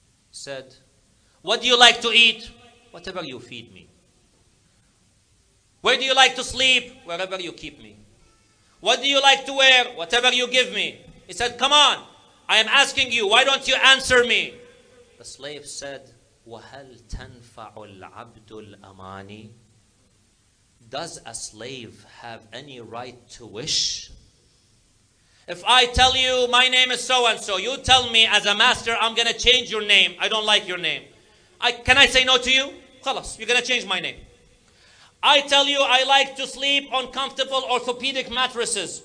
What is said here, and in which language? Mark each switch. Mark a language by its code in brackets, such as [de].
[en] Said, "What do you like to eat?" "Whatever you feed me." "Where do you like to sleep?" "Wherever you keep me." "What do you like to wear?" "Whatever you give me." He said, "Come on, I am asking you, why don't you answer me?" The slave said, [ar] "وَهَلْ تَنْفَعُ الْعَبْدُ الْأَمَانِي?" [en] Does a slave have any right to wish? If I tell you my name is so-and-so, you tell me as a master, I'm going to change your name. I don't like your name. Can I say no to you? خلاص, you're going to change my name. I tell you I like to sleep on comfortable orthopedic mattresses.